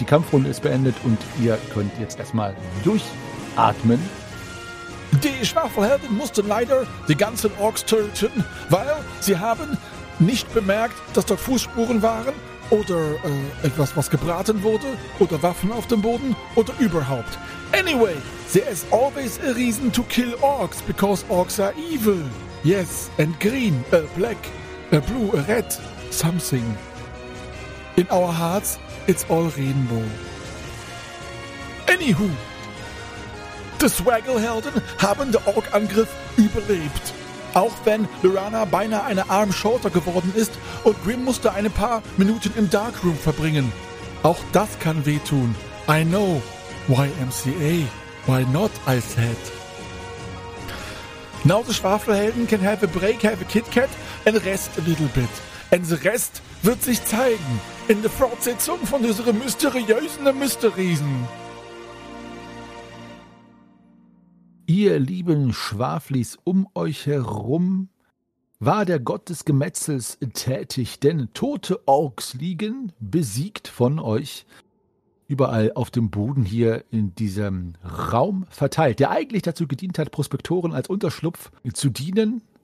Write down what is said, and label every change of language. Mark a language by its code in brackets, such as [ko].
[de] Die Kampfrunde ist beendet und ihr könnt jetzt erstmal durchatmen. Die Schwafelheldin mussten leider die ganzen Orks töten, weil sie haben nicht bemerkt, dass dort Fußspuren waren. Oder etwas, was gebraten wurde. Oder Waffen auf dem Boden. Oder überhaupt. [en] Anyway, there is always a reason to kill orcs, because orcs are evil. Yes, and green, black, blue, red, something. In our hearts, it's all rainbow. Anywho, the [de] Swagglehelden haben den Ork-Angriff überlebt. Auch wenn Lorana beinahe eine Arm [en] shorter [de] geworden ist und Grim musste ein paar Minuten im Darkroom verbringen. Auch das kann wehtun. [en] I know. [de] YMCA. [en] Why not, I said. Now the Schwafelhelden can have a break, have a Kit-Kat and rest a little bit. And the rest [de] wird sich zeigen in der Fortsetzung von unseren mysteriösen Mysteriesen. Ihr lieben Schwaflis, um euch herum war der Gott des Gemetzels tätig, denn tote Orks liegen, besiegt von euch, überall auf dem Boden hier in diesem Raum verteilt, der eigentlich dazu gedient hat, Prospektoren als Unterschlupf zu dienen.